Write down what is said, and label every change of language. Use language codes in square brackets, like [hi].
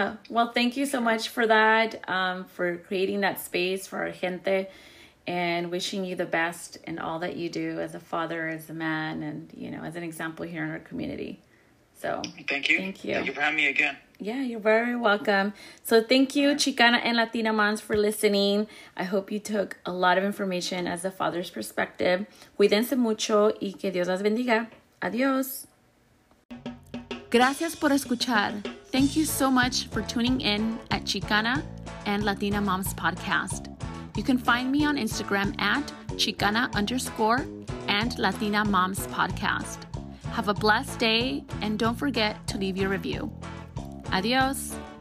[en] well, thank you so much for that, for creating that space for our gente, and wishing you the best in all that you do as a father, as a man, and, you know, as an example here in our community. So thank you for having me again. Yeah, you're very welcome. So thank you, Chicana and Latina moms, for listening. I hope you took a lot of information as a father's perspective. [es] Cuídense mucho y que Dios las bendiga. Adiós. Gracias por escuchar. [en] Thank you so much for tuning in at Chicana and Latina Moms Podcast. You can find me on Instagram at Chicana_and Latina Moms Podcast. Have a blessed day, and don't forget to leave your review. Adios.